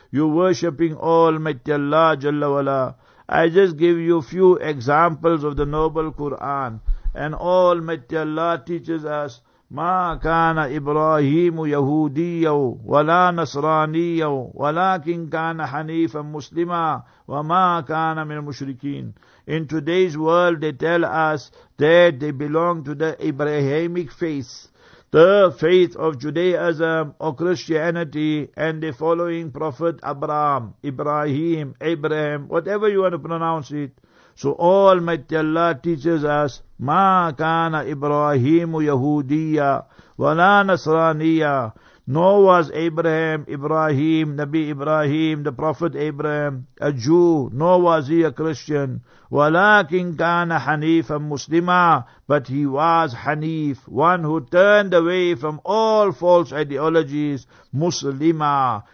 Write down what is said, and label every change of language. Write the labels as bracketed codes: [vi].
[en] You're worshipping Almighty Allah Jalla Wala. I just give you a few examples of the noble Quran, and Almighty Allah teaches us, [ar] مَا كَانَ إِبْرَاهِيمُ يَهُودِيَّوْ وَلَا نَصْرَانِيَّوْ وَلَاكِنْ كَانَ حَنِيفًا مُسْلِمًا وَمَا كَانَ مِنْ الْمُشْرِكِينَ. [en] In today's world, they tell us that they belong to the Abrahamic faith, the faith of Judaism or Christianity, and they're following Prophet Abraham, Ibrahim, Abraham, whatever you want to pronounce it. So Almighty Allah teaches us, [ar] مَا كَانَ إِبْرَاهِيمُ يَهُودِيَّا وَلَا نَصْرَانِيَّا. [en] Nor was Abraham, Ibrahim, Nabi Ibrahim, the Prophet Abraham, a Jew, nor was he a Christian. [ar] وَلَكِنْ كَانَ حَنِيفًا مُسْلِمًا. [en] But he was Hanif, one who turned away from all false ideologies, Muslima.